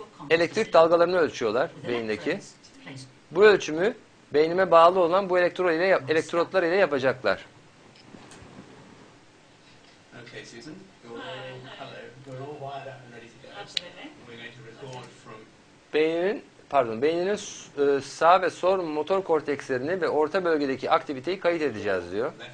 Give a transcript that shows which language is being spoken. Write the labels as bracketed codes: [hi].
[tr] Elektrik dalgalarını ölçüyorlar beyindeki. Bu ölçümü beynime bağlı olan bu elektrotlar ile yapacaklar. [en] Okay, Susan. Hello. We're all wired up and ready to go. Absolutely. We're going to record from... [tr] Beyninin sağ ve sol motor kortekslerini ve orta bölgedeki aktiviteyi kayıt edeceğiz diyor.